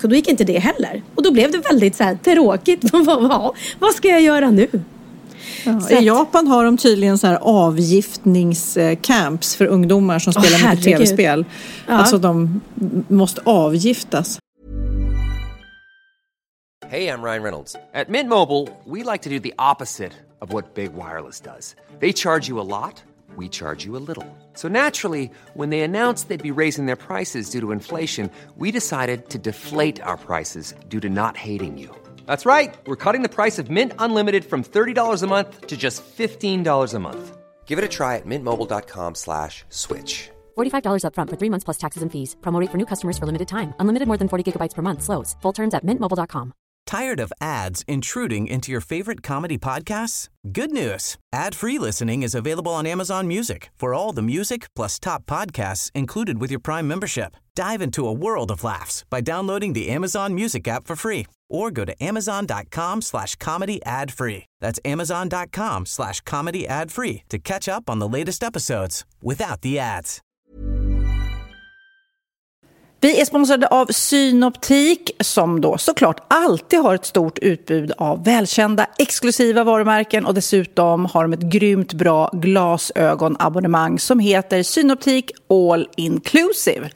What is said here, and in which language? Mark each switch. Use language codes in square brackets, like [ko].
[sv] Och då gick inte det heller. Och då blev det väldigt så här tråkigt. Vad ska jag göra nu? Ja, i Japan har de tydligen så här avgiftningscamps för ungdomar som spelar mycket tv-spel. Ja. Alltså de måste avgiftas. [en] Hey, I'm Ryan Reynolds. At Mint Mobile, we like to do the opposite of what Big Wireless does. They charge you a lot. We charge you a little. So naturally, when they announced they'd be raising their prices due to inflation, we decided to deflate our prices due to not hating you. That's right. We're cutting the price of Mint Unlimited from $30 a month to just $15 a month. Give it a try at mintmobile.com/switch. $45 up front for 3 months plus taxes and fees. Promo rate for new customers for limited time. Unlimited more than 40 gigabytes per month slows. Full terms at mintmobile.com. Tired of ads intruding into your favorite comedy podcasts? Good news! Ad-free listening is available on Amazon Music for all the music plus top podcasts included with your Prime membership. Dive into a world of laughs by downloading the Amazon Music app for free or go to amazon.com/comedyadfree. That's amazon.com/comedyadfree to catch up on the latest episodes without the ads. [sv] Vi är sponsrade av Synoptik som då såklart alltid har ett stort utbud av välkända exklusiva varumärken och dessutom har de ett grymt bra glasögonabonnemang som heter Synoptik All Inclusive.